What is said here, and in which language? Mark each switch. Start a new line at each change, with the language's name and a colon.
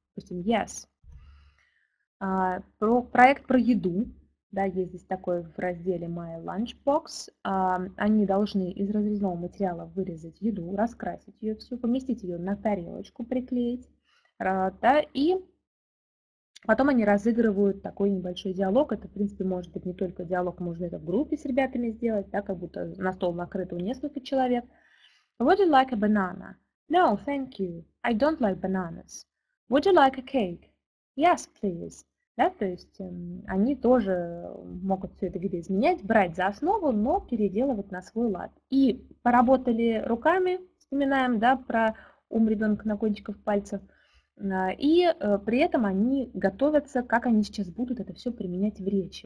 Russian: Допустим, yes. Проект про еду, да, есть здесь такой в разделе My Lunchbox, они должны из разрезного материала вырезать еду, раскрасить ее всю, поместить ее на тарелочку, приклеить, да, и потом они разыгрывают такой небольшой диалог. Это, в принципе, может быть не только диалог, можно это в группе с ребятами сделать, да, как будто на стол накрыто у нескольких человек.
English: Would you like a banana? No, thank you. I don't like bananas. Would you like a cake? Yes, please.
Russian: Да, то есть они тоже могут все это видоизменять, брать за основу, но переделывать на свой лад. И поработали руками, вспоминаем, да, про ум ребенка на кончиках пальцев, и при этом они готовятся, как они сейчас будут это все применять в речи.